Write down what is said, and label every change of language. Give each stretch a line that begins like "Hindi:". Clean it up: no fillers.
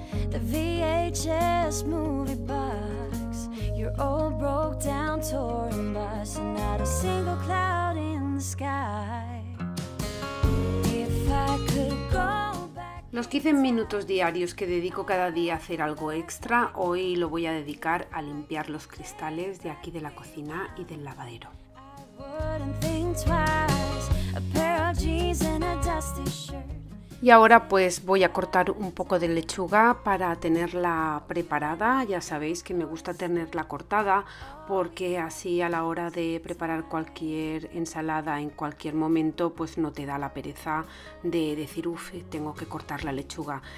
English: The VHS movie box, your old broke down touring bus, and not a single cloud in the sky. If I could go.
Spanish: Los 15 minutos diarios que dedico cada día a hacer algo extra, hoy lo voy a dedicar a limpiar los cristales de aquí de la cocina y del lavadero.
English: I wouldn't think twice. A pair of jeans and a dusty shirt.
Spanish: Y ahora pues voy a cortar un poco de lechuga para tenerla preparada. Ya sabéis que me gusta tenerla cortada porque así a la hora de preparar cualquier ensalada en cualquier momento pues no te da la pereza de decir, uff, tengo que cortar la lechuga.